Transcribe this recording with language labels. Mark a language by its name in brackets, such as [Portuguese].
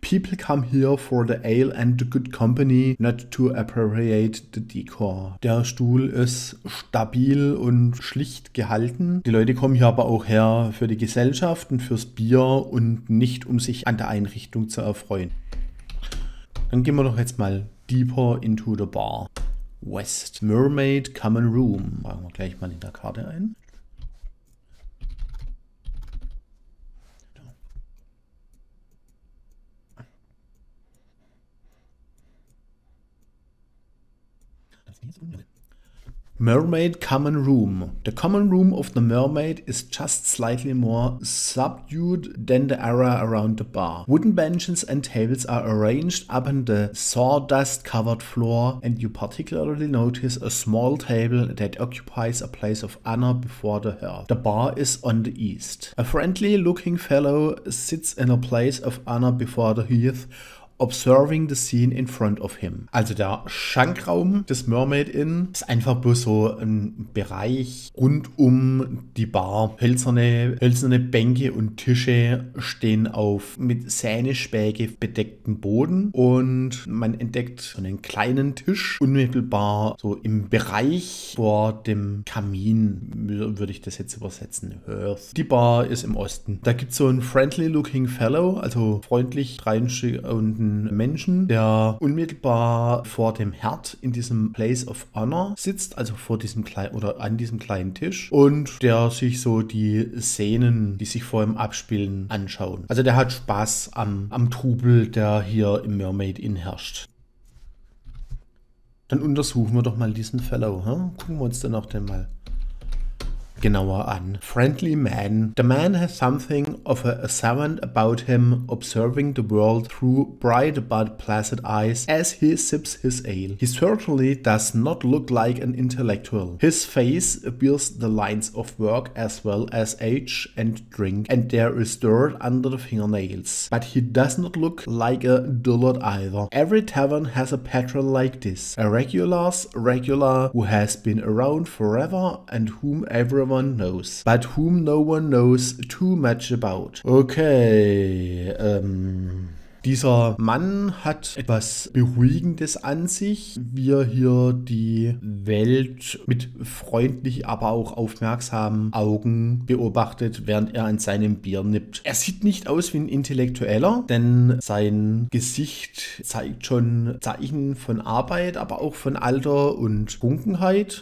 [English] People come here for the ale and the good company, not to appropriate the decor. [German] Der Stuhl ist stabil und schlicht gehalten. Die Leute kommen hier aber auch her für die Gesellschaft und fürs Bier und nicht, um sich an der Einrichtung zu erfreuen. Dann gehen wir doch jetzt mal [English] deeper into the bar. West Mermaid Common Room. [German] Fragen wir gleich mal in der Karte ein. [English] Mermaid Common Room. The common room of the mermaid is just slightly more subdued than the area around the bar. Wooden benches and tables are arranged up on the sawdust-covered floor, and you particularly notice a small table that occupies a place of honor before the hearth. The bar is on the east. A friendly-looking fellow sits in a place of honor before the hearth, observing the scene in front of him. [German] Also der Schankraum des Mermaid Inn ist einfach bloß so ein Bereich rund um die Bar. Hölzerne Bänke und Tische stehen auf mit Sehnespäge bedeckten Boden und man entdeckt so einen kleinen Tisch unmittelbar so im Bereich vor dem Kamin, würde ich das jetzt übersetzen, Hearth. Die Bar ist im Osten. Da gibt es so einen [English] friendly looking fellow, [German] also freundlich dreinschauenden Menschen, der unmittelbar vor dem Herd in diesem [English] Place of Honor [German] sitzt, also vor diesem kleinen oder an diesem kleinen Tisch und der sich so die Szenen, die sich vor ihm abspielen, anschaut. Also der hat Spaß am Trubel, der hier im Mermaid Inn herrscht. Dann untersuchen wir doch mal diesen Fellow. Hm? Gucken wir uns dann auch den mal genauer an. [English] Friendly man. The man has something of a savant about him, observing the world through bright but placid eyes as he sips his ale. He certainly does not look like an intellectual. His face bears the lines of work as well as age and drink, and there is dirt under the fingernails. But he does not look like a dullard either. Every tavern has a patron like this. A regular who has been around forever and whom everyone knows, but whom no one knows too much about. [German] Okay, dieser Mann hat etwas Beruhigendes an sich, wie er hier die Welt mit freundlich, aber auch aufmerksamen Augen beobachtet, während er an seinem Bier nippt. Er sieht nicht aus wie ein Intellektueller, denn sein Gesicht zeigt schon Zeichen von Arbeit, aber auch von Alter und Trunkenheit.